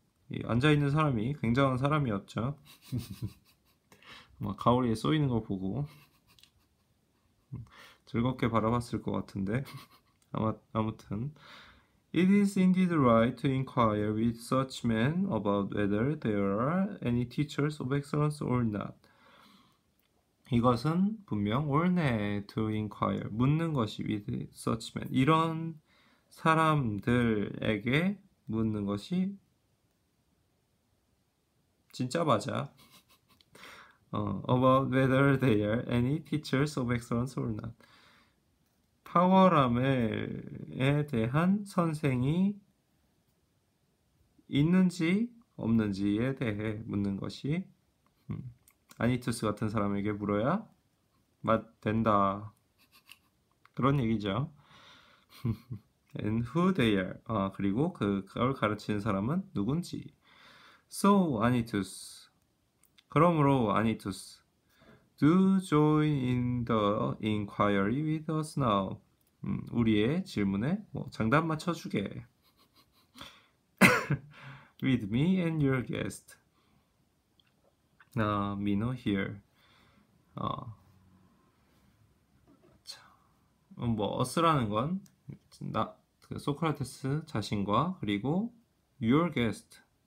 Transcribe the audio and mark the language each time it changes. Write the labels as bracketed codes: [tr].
[ko] 이 앉아 있는 사람이 굉장한 사람이었죠. 막 가오리에 쏘이는 거 보고 즐겁게 바라봤을 것 같은데. 아무튼. [en] It is indeed right to inquire with such men about whether there are any teachers of excellence or not. [ko] 이것은 분명 옳네, [en] to inquire. [ko] 묻는 것이 [en] with such men. [ko] 이런 사람들에게 묻는 것이 진짜 맞아. [en] About whether there are any teachers of excellence or not. [ko] 파워라멜에 대한 선생이 있는지 없는지에 대해 묻는 것이 아니투스 같은 사람에게 물어야 된다 그런 얘기죠. [en] And who they are. [ko] 그리고 그걸 가르치는 사람은 누군지. So, 아니투스. 그러므로 아니투스. [en] Do join in the inquiry with us now. [ko] 우리의 질문에 장단 맞춰주게. [en] With me and your guest. 미노 here. [ko] 어스라는 건 소크라테스 자신과 그리고 [en] your guest.